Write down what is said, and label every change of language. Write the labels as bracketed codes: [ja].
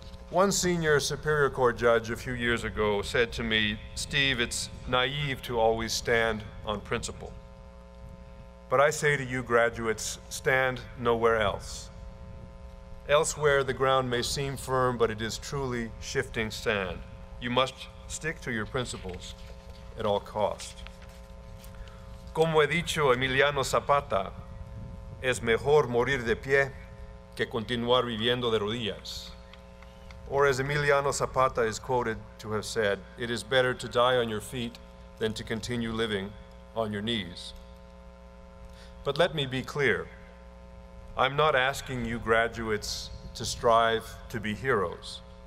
[en] One senior Superior Court judge a few years ago said to me, "Steve, it's naive to always stand on principle." But I say to you, graduates, stand nowhere else. Elsewhere, the ground may seem firm, but it is truly shifting sand. You must stick to your principles at all costs. [es] Como ha dicho Emiliano Zapata, es mejor morir de pie que continuar viviendo de rodillas. [en] Or as Emiliano Zapata is quoted to have said, it is better to die on your feet than to continue living on your knees. But let me be clear. I'm not asking you graduates to strive to be heroes.